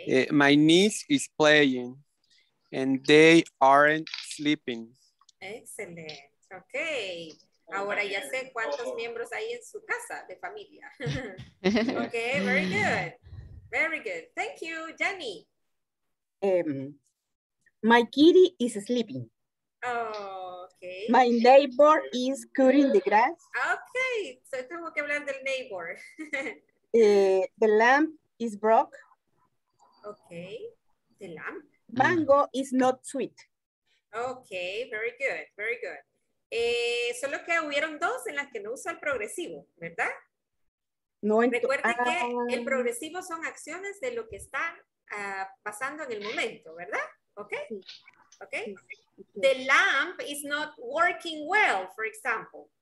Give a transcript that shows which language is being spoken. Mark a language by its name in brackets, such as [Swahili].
[English] My niece is playing and they aren't sleeping. Excellent. Ok. [Spanish] Ahora ya sé cuántos miembros hay en su casa de familia. [English] Ok, very good. Very good. Thank you, Jenny. My kitty is sleeping. Okay. My neighbor is cutting the grass. [Spanish] Okay, so tengo que hablar del neighbor. [English] The lamp is broke. Okay, the lamp. Mango is not sweet. Okay, very good, very good. [Spanish] Solo que hubieron dos en las que no usa el progresivo, ¿verdad? No. Recuerden que el progresivo son acciones de lo que está pasando en el momento, ¿verdad? [English] Okay, okay. The lamp is not working well, for example.